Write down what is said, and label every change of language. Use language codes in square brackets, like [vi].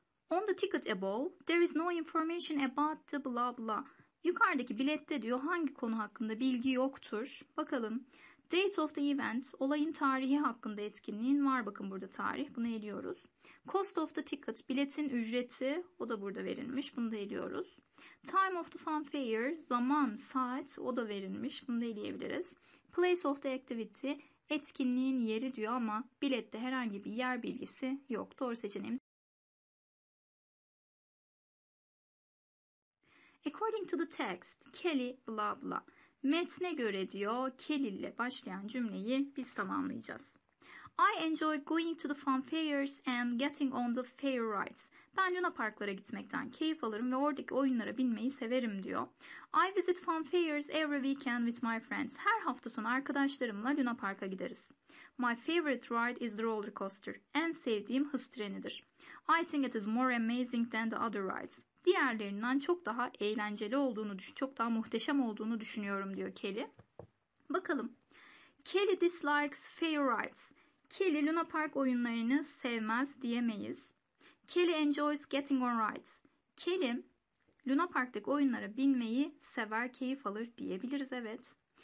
[en] On the ticket above, there is no information about the blah blah. [tr] Yukarıdaki bilette diyor hangi konu hakkında bilgi yoktur. Bakalım. [en] Date of the event, [tr] olayın tarihi hakkında etkinliğin var. Bakın burada tarih, bunu eliyoruz. [en] Cost of the ticket, [tr] biletin ücreti, o da burada verilmiş. Bunu da eliyoruz. [en] Time of the funfair, [tr] zaman, saat, o da verilmiş. Bunu da eleyebiliriz. [en] Place of the activity, [tr] etkinliğin yeri diyor ama bilette herhangi bir yer bilgisi yok. Doğru seçeneğimiz. [en] According to the text, Kelly bla bla. [tr] Metne göre diyor, Kelly ile başlayan cümleyi biz tamamlayacağız. [en] I enjoy going to the fun fairs and getting on the fair rides. [tr] Ben Luna parklara gitmekten keyif alırım ve oradaki oyunlara binmeyi severim diyor. [en] I visit fun fairs every weekend with my friends. [tr] Her hafta sonu arkadaşlarımla Luna Park'a gideriz. [en] My favorite ride is the roller coaster. [tr] En sevdiğim hız trenidir. [en] I think it is more amazing than the other rides. [tr] Diğerlerinden çok daha eğlenceli olduğunu düşün, çok daha muhteşem olduğunu düşünüyorum diyor Kelly. Bakalım. [en] Kelly dislikes fair rides. [tr] Kelly Luna Park oyunlarını sevmez diyemeyiz. [en] Kelly enjoys getting on rides. [tr] Kelly Luna Park'taki oyunlara binmeyi sever, keyif alır diyebiliriz, evet.